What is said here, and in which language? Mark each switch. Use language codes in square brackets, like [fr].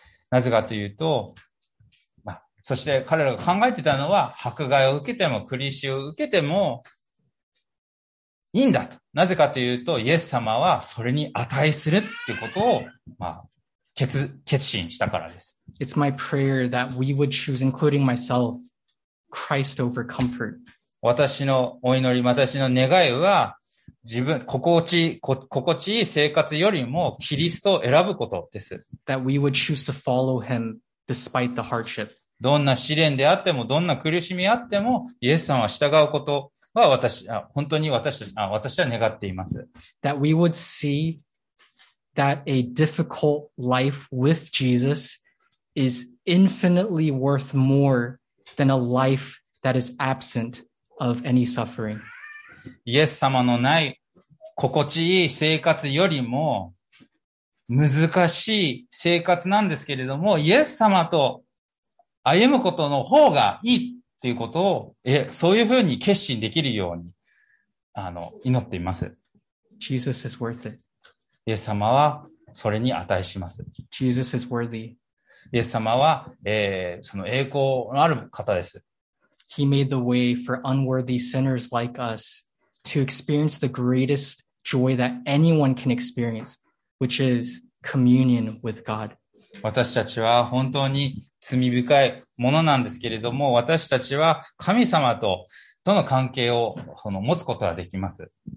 [ja] なぜかというと、そして彼らが考えてたのは、迫害を受けても、苦しを受けても、いいんだと。なぜかというと、イエス様はそれに値するってことを、決心したからです。 [en] It's my prayer that we would choose, including myself, Christ over comfort. [ja] 私のお祈り、私の願いは、自分、心地いい生活よりも、キリストを選ぶことです。 [en] That we would choose to follow him despite the hardship. [ja] どんな試練であっても、どんな苦しみあっても、イエス様は従うことは本当に私は願っています。 [en] That we would see that a difficult life with Jesus is infinitely worth more than a life that is absent of any suffering. [ja] イエス様のない心地いい生活よりも難しい生活なんですけれども、イエス様と歩むことの方がいいっていうことを、そういうふうに決心できるように、祈っています。 [en] Jesus is worth it. [ja] イエス様はそれに値します。 [en] Jesus is worthy. [ja] イエス様は、その栄光のある方です。 [en] He made the way for unworthy sinners like us to experience the greatest joy that anyone can experience, which is communion with God. [ja] 私たちは本当に罪深いものなんですけれども、私たちは神様との関係を持つことができます。